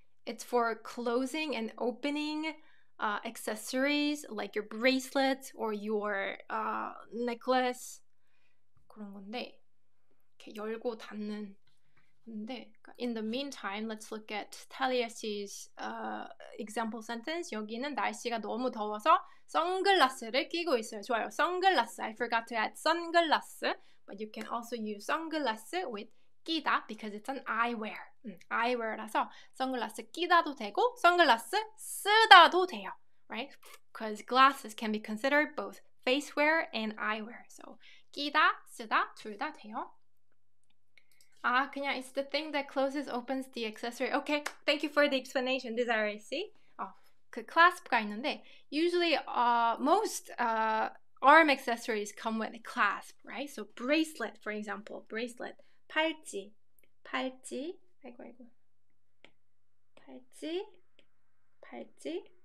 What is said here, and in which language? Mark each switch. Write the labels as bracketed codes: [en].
[en] It's for closing and opening accessories, like your bracelet or your necklace. [ko] 그런 건데. 이렇게 열고 닫는 건데. [en] In the meantime, let's look at Talia C's example sentence. [ko] 여기는 날씨가 너무 더워서 선글라스를 끼고 있어요. 좋아요. 선글라스. [en] I forgot to add [ko] 선글라스. [en] But you can also use 선글라스 with 끼다 because it's an eyewear. [ko] Eyewear라서 선글라스 끼다도 되고 선글라스 쓰다도 돼요. Right? [en] Because glasses can be considered both facewear and eyewear. [ko] So 끼다, 쓰다 둘 다 돼요. 아, 그냥 [en] it's the thing that closes, opens the accessory. Okay, thank you for the explanation, Desiree. See? [ko] 그 clasp가 있는데 [en] usually most arm accessories come with a clasp, right? So bracelet, for example. Bracelet. [ko] 팔찌. 팔찌. 아이고, 아이고. 팔찌. 팔찌.